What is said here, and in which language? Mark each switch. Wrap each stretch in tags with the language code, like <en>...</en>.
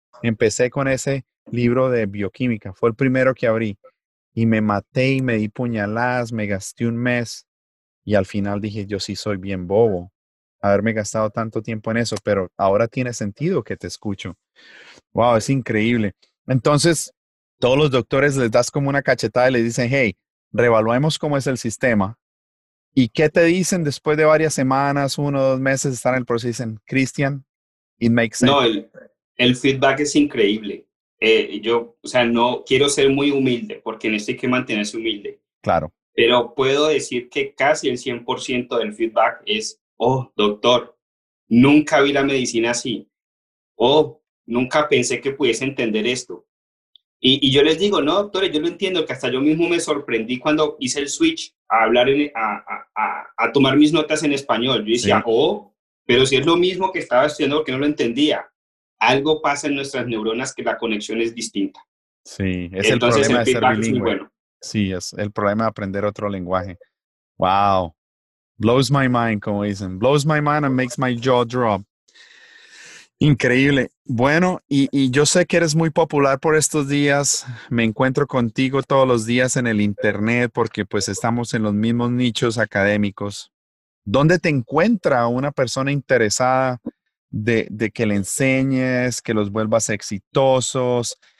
<es>Empecé con ese libro de bioquímica, fue el primero que abrí y me maté y me di puñaladas, me gasté un mes y al final dije, yo sí soy bien bobo haberme gastado tanto tiempo en eso, pero ahora tiene sentido que te escucho. Wow, es increíble. Entonces, todos los doctores les das como una cachetada y les dicen, hey, reevaluemos cómo es el sistema. ¿Y qué te dicen después de varias semanas, uno o dos meses de estar en el proceso? Dicen, Cristian,</es> <en>it makes sense.</en> <es>No, el feedback es increíble. No quiero ser muy humilde, porque en esto hay que mantenerse humilde. Claro. Pero puedo decir que casi el 100% del feedback es, oh, doctor, nunca vi la medicina así. Oh, nunca pensé que pudiese entender esto. Y yo les digo, no, doctores, yo lo entiendo, que hasta yo mismo me sorprendí cuando hice el switch a hablar, a tomar mis notas en español. Yo decía, sí. Oh, pero si es lo mismo que estaba estudiando porque no lo entendía. Algo pasa en nuestras neuronas que la conexión es distinta. Sí, es entonces, el problema de ser bilingüe. Bueno. Sí, es el problema de aprender otro lenguaje.</es> <en>Wow. Blows my mind,</en> <es>como dicen.</es> <en>Blows my mind and makes my jaw drop.</en> <es>Increíble. Bueno, y yo sé que eres muy popular por estos días. Me encuentro contigo todos los días en el internet porque pues estamos en los mismos nichos académicos. ¿Dónde te encuentra una persona interesada de que le enseñes, que los vuelvas exitosos?</es>